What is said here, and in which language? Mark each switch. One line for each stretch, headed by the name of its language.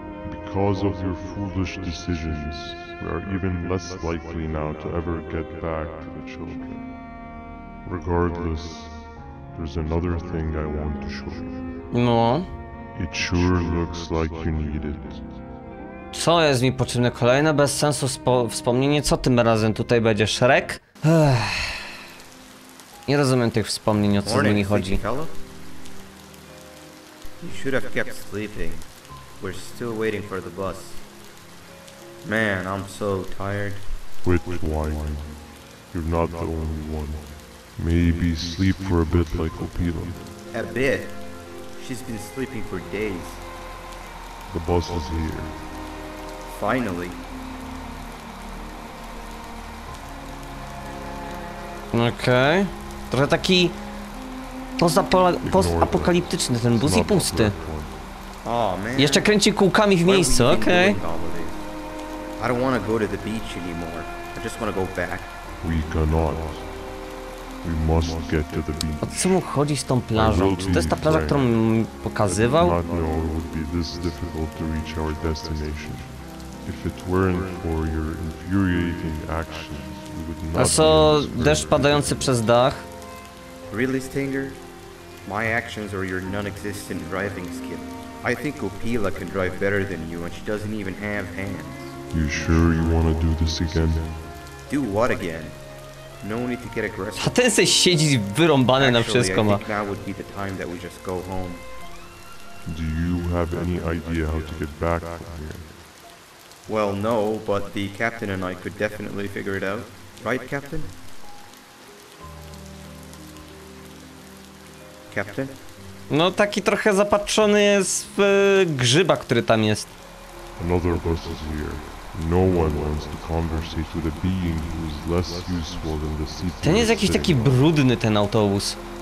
English: Because of your foolish decisions, we are even less likely now to ever get back to the children. Regardless, there's another thing I want to show you. No? It sure looks like you need it.
Polish: Co jest mi potrzebne? Kolejne bez sensu wspomnienie? Co tym razem tutaj będzie, Shrek? Nie rozumiem tych wspomnień, o co z nimi chodzi.
English: You should have kept sleeping. We're still waiting for the bus. Man, I'm so tired. Quit whining. You're not the only one. Maybe sleep for a bit like Opila. A bit? She's been sleeping for days. The bus is here. Finally. Okay.
Polish: Trochę taki post-apokaliptyczny ten bus i pusty.
English: Oh, man.
Polish: Jeszcze kręci kółkami w miejscu, okej.
English: I don't wanna go to the beach anymore. I just wanna go back. We cannot. We must get to the beach.
Polish: O co mu chodzi z tą plażą? Czy to jest ta plaża, którą mi pokazywał?
English: I did not know it would be this difficult to reach our destination. If it weren't for your infuriating actions, we would not.
Polish: A co, deszcz padający przez dach?
English: Really, Stinger? My actions or your non-existent driving skill? I think Opila can drive better than you and she doesn't even have hands. You sure you want to do this again? Do what again? No need to get aggressive.
Polish: A ten se siedzi wyrąbany na wszystko ma.
English: Actually, I think now would be the time that we just go home. Do you have any idea how to get back from here? Well, no, but the captain and I could definitely figure it out. Right, Captain? Captain?
Polish: No, taki trochę zapatrzony jest w grzyba, który tam jest.
English: Another bus is here. No one wants to conversate with a being who is less useful than the city.
Polish: Ten jest jakiś taki brudny ten autobus.